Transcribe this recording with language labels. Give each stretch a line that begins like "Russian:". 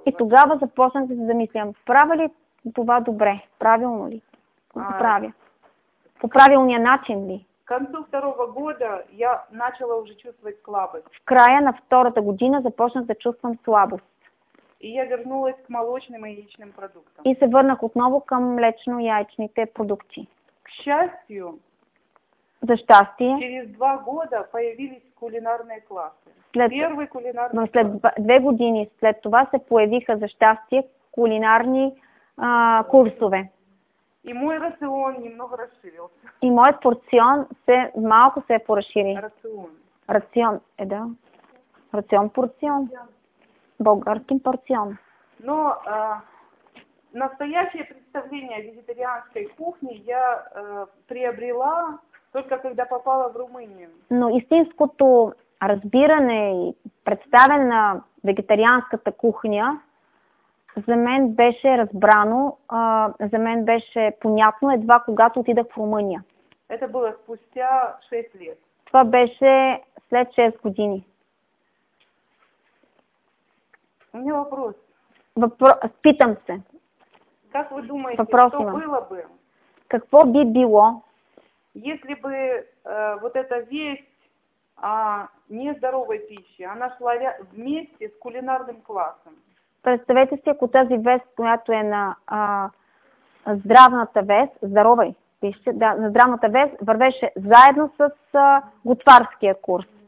Bulgarian: И тогава започнах да се замислям, правя ли това добре, правилно ли? Правя. По правилния начин ли?
Russian: К концу второго года я начала уже чувствовать слабость.
Bulgarian: В края на втората година започнах да чувствам слабост.
Russian: И я вернулась к молочным и яичным продуктам.
Bulgarian: И се върнах отново към млечно-яичните продукти.
Russian: К счастью,
Bulgarian: за щастие,
Russian: через 2 года появились кулинарные классы. Первый кулинарный класс.
Bulgarian: След 2 години след това се появиха за щастие кулинарни курсове.
Russian: И мой рацион немного расширился.
Bulgarian: И моят порцион малко се порашири.
Russian: Рацион.
Bulgarian: Рацион, да. Рацион, порцион. Българкин порцион.
Russian: Но настоящее представление о вегетарианской кухне я приобрела только когда попала в Румынию.
Bulgarian: Но истинското разбиране и представяне на вегетарианската кухня за мен беше разбрано, за мен беше понятно едва когато отидах в Румъния.
Russian: Это было спустя 6 лет.
Bulgarian: Това беше след 6 години.
Russian: У меня вопрос.
Bulgarian: Питам се.
Russian: Как вы думаете, вопрос что имам. Было бы?
Bulgarian: Какво би било?
Russian: Если бы вот эта весть о нездоровой пище, она шла вместе с кулинарным классом.
Bulgarian: Представете си, ако тази вест, която е на здравната вест,
Russian: здоровой пище,
Bulgarian: да, на здравната вест, вървеше заедно с готварския курс.